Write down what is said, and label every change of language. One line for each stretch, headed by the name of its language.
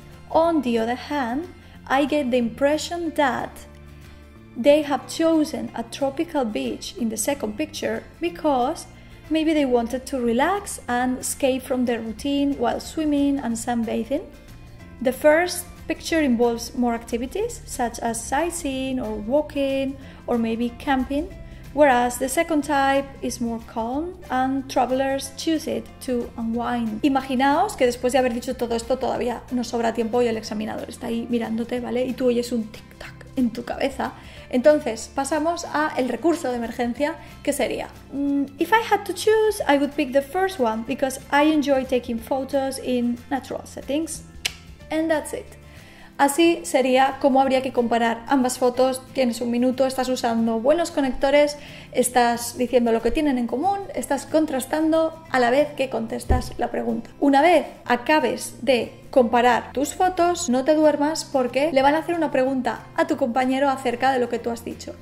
English: On the other hand, I get the impression that they have chosen a tropical beach in the second picture because maybe they wanted to relax and escape from their routine while swimming and sunbathing. The first picture involves more activities such as sightseeing or walking or maybe camping, whereas the second type is more calm and travelers choose it to unwind.
Spanish: Imaginaos que después de haber dicho todo esto todavía nos sobra tiempo y el examinador está ahí mirándote, ¿vale? Y tú oyes un tic-tac en tu cabeza. Entonces pasamos a el recurso de emergencia, que sería
English: if I had to choose, I would pick the first one because I enjoy taking photos in natural settings. And that's it.
Spanish: Así sería cómo habría que comparar ambas fotos. Tienes un minuto, estás usando buenos conectores, estás diciendo lo que tienen en común, estás contrastando a la vez que contestas la pregunta. Una vez acabes de comparar tus fotos, no te duermas porque le van a hacer una pregunta a tu compañero acerca de lo que tú has dicho.